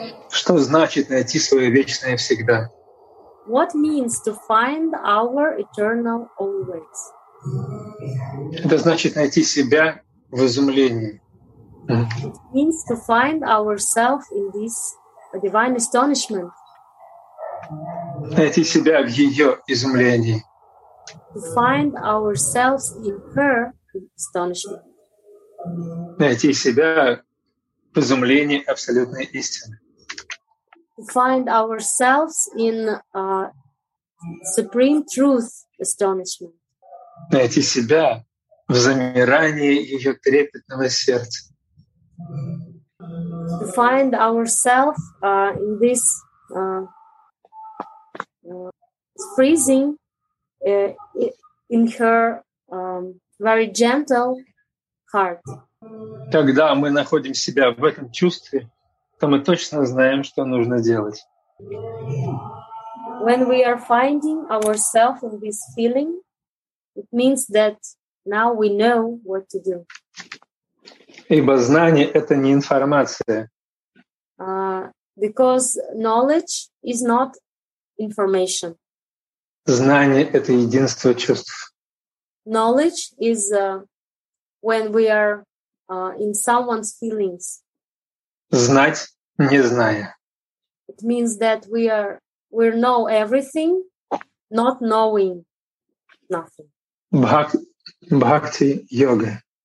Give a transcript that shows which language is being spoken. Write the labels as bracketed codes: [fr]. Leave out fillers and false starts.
[ru] Что значит найти свое вечное всегда? [en] What means to find our eternal always? [ru] Это значит найти себя в изумлении. [en] It means to find ourselves in this divine astonishment. [ru] Найти себя в ее изумлении. [en] To find ourselves in her astonishment. [ru] Найти себя в изумлении абсолютной истины. [en] To find ourselves in supreme truth astonishment. [ru] Найти себя в замирании ее трепетного сердца. [en] To find ourselves in this freezing in her very gentle heart. [ru] Когда мы находим себя в этом чувстве, то мы точно знаем, что нужно делать. [en] When we are finding ourselves in this feeling, it means that now we know what to do. [ru] Ибо знание — это не информация. [en] Because knowledge is not information. [ru] Знание — это единство чувств. [en] Knowledge is when we are in someone's feelings. [ru] Знать, не зная. [en] It means that we know everything, not knowing nothing. [ru] Бхакти йога.